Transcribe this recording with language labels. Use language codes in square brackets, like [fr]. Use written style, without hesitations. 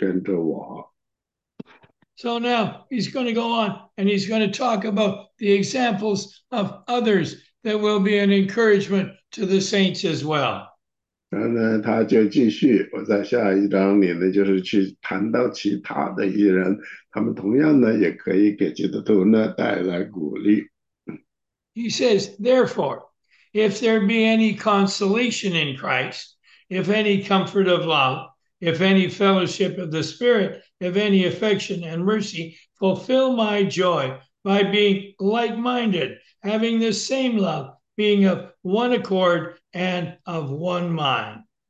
[zh] 所以呢，使徒保罗并不是说呢，我跟你们不一样。说的是他说呢，如果你们跟从我的话呢，那么神给我的福气呢，你们也会得到。所以你们要一直保持跟着我。 [en] So now he's going to go on and he's going to talk about the examples of others that will be an encouragement to the saints as well. [zh] 然后呢，他就继续，我在下一章里呢，就是去谈到其他的一些人，他们同样呢，也可以给基督徒呢带来鼓励。 [en] He says, therefore, if there be any consolation in Christ, if any comfort of love, if any fellowship of the Spirit, if any affection and mercy, fulfill my joy by being like-minded, having the same love, being of one accord and of one mind.